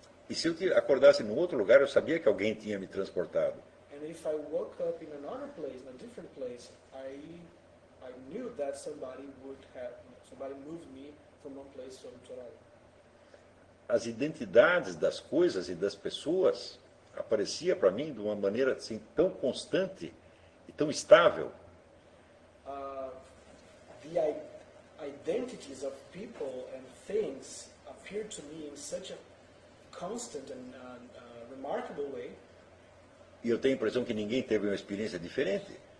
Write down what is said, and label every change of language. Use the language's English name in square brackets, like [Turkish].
[Portuguese] E se eu acordasse em outro lugar, eu sabia que alguém tinha me transportado. [English] And if I woke up in another place, in a different place, I knew that somebody moved me from one place to another. [Portuguese] As identidades das coisas e das pessoas aparecia para mim de uma maneira assim tão constante e tão estável. [English] The identities of people and things appeared to me in such a constant and remarkable way. [Portuguese] E eu tenho a impressão que ninguém teve uma experiência diferente.